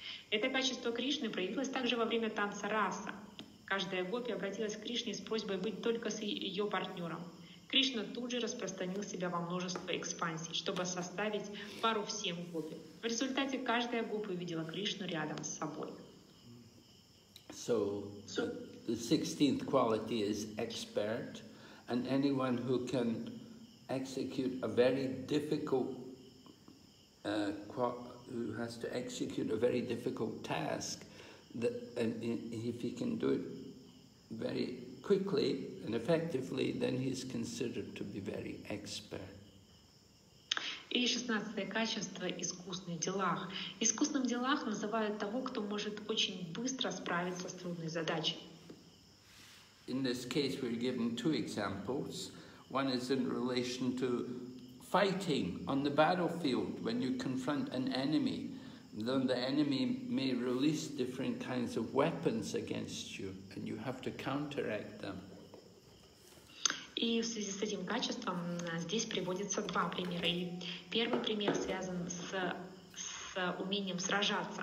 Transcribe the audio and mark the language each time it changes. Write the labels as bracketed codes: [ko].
[ru] Это качество Кришны проявилось также во время танца раса. Каждая гопи обратилась к Кришне с просьбой быть только с ее партнером. Кришна тут же распространил себя во множество экспансий, чтобы составить пару всем гопи. В результате каждая гопи увидела Кришну рядом с собой. [en] So, the 16th quality is expert, and anyone who can execute a very difficult, who has to execute a very difficult task, and if he can do it very quickly and effectively, then he's considered to be very expert. [ru] И 16-е качество – искусные дела. Искусным делах называют того, кто может очень быстро справиться с трудной задачей. [en] In this case, we're given two examples. One is in relation to fighting on the battlefield. When you confront an enemy, then the enemy may release different kinds of weapons against you, and you have to counteract them. [ru] И в связи с этим качеством здесь приводятся два примера. И первый пример связан с умением сражаться.